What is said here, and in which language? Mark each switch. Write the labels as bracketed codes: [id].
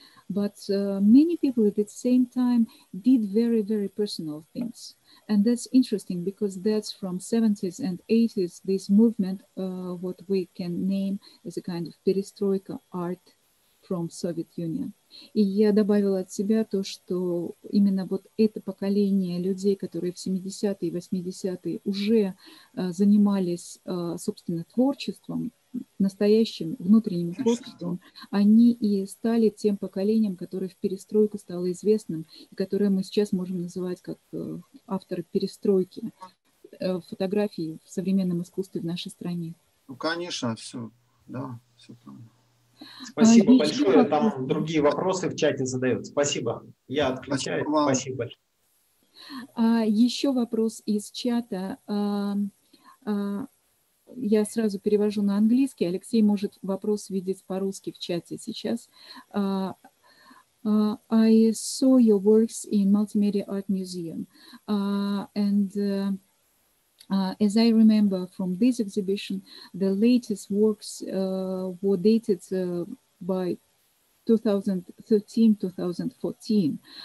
[en] But many people at the same time did very, very personal things. And that's interesting because that's from 70s and 80s, this movement, what we can name as a kind of perestroika art from Soviet Union. [ru] И я добавила от себя то, что именно вот это поколение людей, которые в 70-е и 80-е уже занимались, собственно, творчеством, настоящим внутренним творчеством, они и стали тем поколением, которое в перестройку стало известным, и которое мы сейчас можем называть как авторы перестройки фотографий в современном искусстве в нашей стране. Ну, конечно, все, да, все правильно. Спасибо большое. Там другие вопросы в чате задают. Спасибо. Я отключаю. Спасибо большое. Еще вопрос из чата. Я сразу перевожу на английский. Алексей может вопрос видеть по-русски в чате сейчас. [en] I saw your works in Multimedia Art Museum. As I remember from this exhibition, the latest works were dated by 2013-2014.